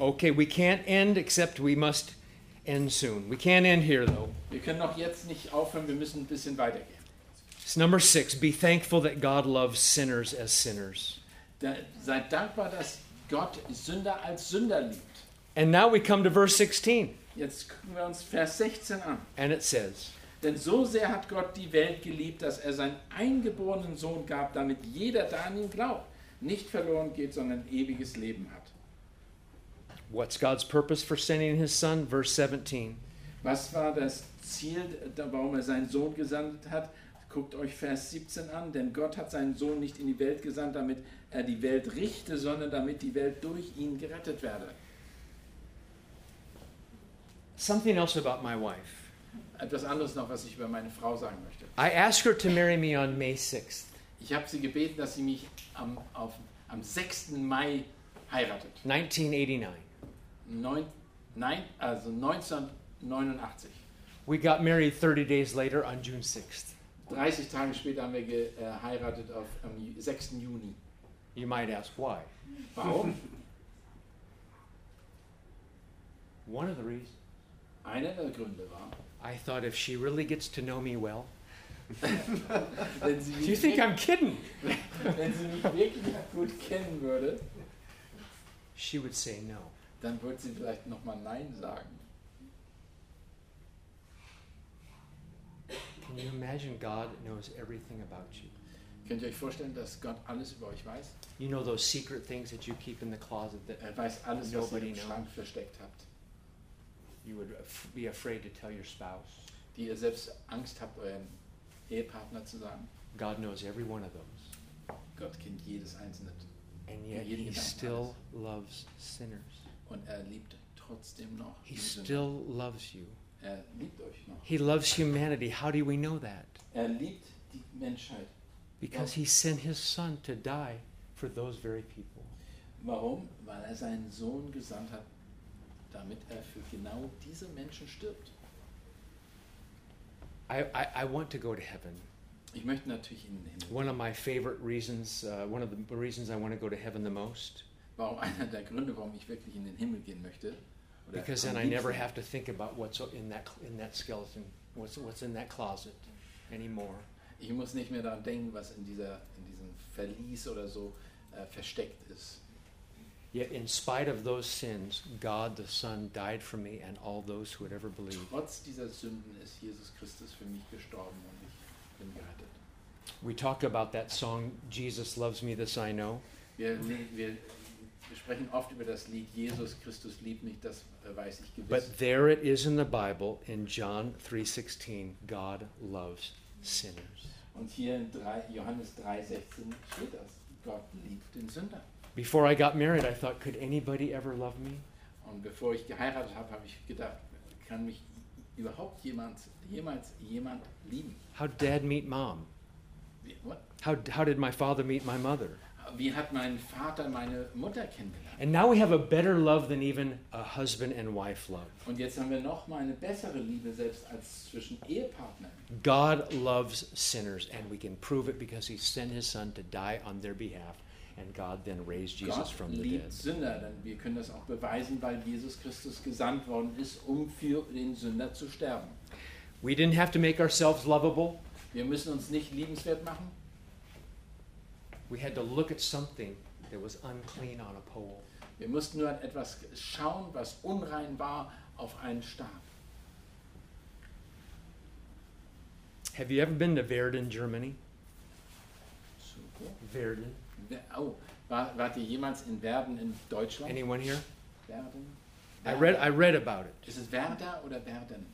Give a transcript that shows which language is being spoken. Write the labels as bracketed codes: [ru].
[en] Okay, we can't end, except we must end soon. We can't end here though. [de] Wir können noch jetzt nicht aufhören, wir müssen ein bisschen weitergehen. [en] It's number 6. Be thankful that God loves sinners as sinners. [de] Seid dankbar, dass Gott Sünder als Sünder liebt. [en] And now we come to verse 16. [de] Jetzt gucken wir uns Vers 16 an. [en] And it says, [de] denn so sehr hat Gott die Welt geliebt, dass er seinen eingeborenen Sohn gab, damit jeder, der an ihn glaubt, nicht verloren geht, sondern ewiges Leben hat. [en] What's God's purpose for sending his son? Verse 17. [de] Was war das Ziel, warum er seinen Sohn gesandt hat? Guckt euch Vers 17 an, denn Gott hat seinen Sohn nicht in die Welt gesandt, damit er die Welt richte, sondern damit die Welt durch ihn gerettet werde. [en] Something else about my wife. [de] Etwas anderes noch, was ich über meine Frau sagen möchte. [en] I asked her to marry me on May 6th. [de] Ich habe sie gebeten, dass sie mich am 6. Mai heiratet. 1989. [en] We got married 30 days later on June 6th. [de] 30 Tage später haben wir geheiratet am 6. Juni. [en] You might ask why. [de] Warum? [en] One of the reasons. [de] Einer der Gründe war. [en] I thought if she really gets to know me well. Do you think I'm kidding? [de] Wenn sie mich wirklich gut kennen würde. [en] She would say no. [de] Dann würde sie vielleicht nochmal nein sagen. [en] Can you imagine God knows everything about you? [de] Könnt ihr euch vorstellen, dass Gott alles über euch weiß? [en] You know those secret things that you keep in the closet that [de] er weiß alles, was ihr im Schrank versteckt habt. [en] You would be afraid to tell your spouse. [de] Die ihr selbst Angst habt, euren Ehepartner zu sagen. [en] God knows every one of those. [de] Gott kennt jedes einzelne. [en] And yet he still loves sinners. [de] Und er liebt trotzdem noch. [en] He still loves you. [de] Er liebt euch noch. [en] He loves humanity. How do we know that? [de] Er liebt die Menschheit. [en] Because he sent his son to die for those very people. [de] Warum? Weil er seinen Sohn gesandt hat, damit er für genau diese Menschen stirbt. [en] I want to go to heaven. [de] Ich möchte natürlich in den Himmel. [en] One of my favorite reasons, one of the reasons I want to go to heaven the most. [de] Warum einer der Gründe, warum ich wirklich in den Himmel gehen möchte. [en] Because then I never have to think about what's in that skeleton, what's in that closet anymore. [de] Ich muss nicht mehr daran denken, was in diesem Verlies oder so versteckt ist. [en] Yet in spite of those sins, God the Son died for me and all those who would ever believe. [de] Trotz dieser Sünden ist Jesus Christus für mich gestorben und ich bin gerettet. [en] We talk about that song, Jesus Loves Me, This I Know. [de] Wir sprechen oft über das Lied Jesus Christus liebt mich, das weiß ich gewiss. [en] But there it is in the Bible in John 3:16, God loves sinners. [de] Und hier in Johannes 3:16 steht das, Gott liebt den Sünder. [en] Before I got married, I thought, could anybody ever love me? [de] Und bevor ich geheiratet habe, habe ich gedacht, kann mich überhaupt jemals jemand lieben? [en] How did Dad meet Mom? How did my father meet my mother? [de] Wie hat mein Vater meine Mutter kennengelernt? [en] And now we have a better love than even a husband and wife love. [de] Und jetzt haben wir noch mal eine bessere Liebe selbst als zwischen Ehepartnern. [en] God loves sinners and we can prove it because he sent his son to die on their behalf and God then raised Jesus from the dead. [de] Gott liebt Sünder, denn wir können das auch beweisen, weil Jesus Christus gesandt worden ist, um für den Sünder zu sterben. [en] We didn't have to make ourselves lovable. [de] Wir müssen uns nicht liebenswert machen. [en] We had to look at something that was unclean on a pole. [de] Wir mussten nur an etwas schauen, was unrein war auf einen Stab. [en] Have you ever been to Verden, Germany? [de] Super. Verden. Wart ihr jemals in Verden in Deutschland? [en] Anyone here? Verden. I read about it. [de] Ist es Werder oder Verden?